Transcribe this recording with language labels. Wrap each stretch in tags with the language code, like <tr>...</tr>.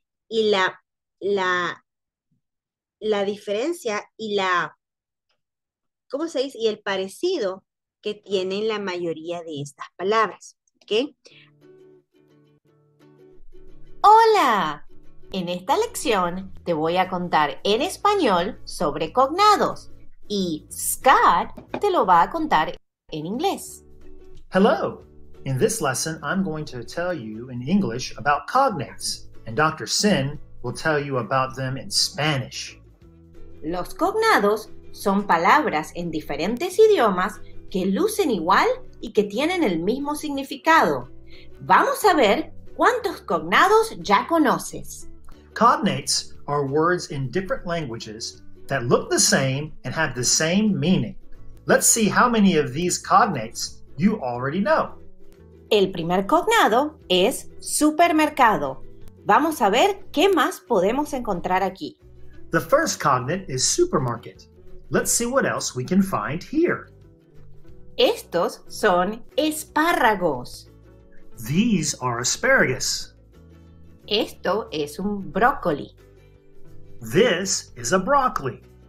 <es>Y la diferencia y la, ¿cómo se dice? Y el parecido que tienen la mayoría de estas palabras. ¿Ok? ¡Hola! En esta lección te voy a contar en español sobre cognados y Scott te lo va a contar en inglés.</es> <en>Hello! In this lesson, I'm going to tell you in English about cognates, and Dr. Sin will tell you about them in Spanish.</en> <es>Los cognados son palabras en diferentes idiomas que lucen igual y que tienen el mismo significado. Vamos a ver cuántos cognados ya conoces.</es> <en>Cognates are words in different languages that look the same and have the same meaning. Let's see how many of these cognates you already know.</en> <es>El primer cognado es supermercado. Vamos a ver qué más podemos encontrar aquí.</es> <en>The first cognate is supermarket. Let's see what else we can find here.</en> <es>Estos son espárragos.</es> <en>These are asparagus.</en> <es>Esto es un brócoli.</es> <en>This is a broccoli.</en>